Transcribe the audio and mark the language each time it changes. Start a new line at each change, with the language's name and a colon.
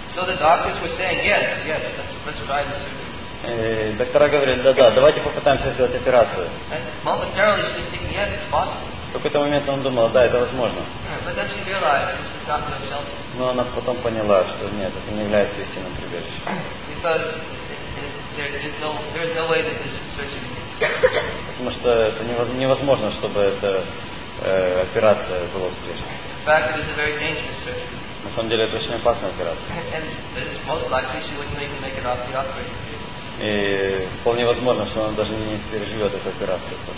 English: So the doctors were saying, yes, yes, let's try the surgery.
Russian: Доктора говорили, да, давайте попытаемся сделать операцию.
English: And momentarily she was thinking, yes, it's possible.
Russian: В какой-то момент он думал, да, это возможно.
English: But then she realized this is not no shelter.
Russian: Но она потом поняла, что нет, это не является истинным прибежищем.
English: Because there is no way that this is surgery.
Russian: Потому что это невозможно, чтобы эта операция была успешной.
English: In fact, it is a very dangerous surgery.
Russian: На самом деле это очень опасная операция.
English: And it is most likely she wouldn't even make it off the operating table.
Russian: И вполне возможно, что она даже не переживет эту операцию.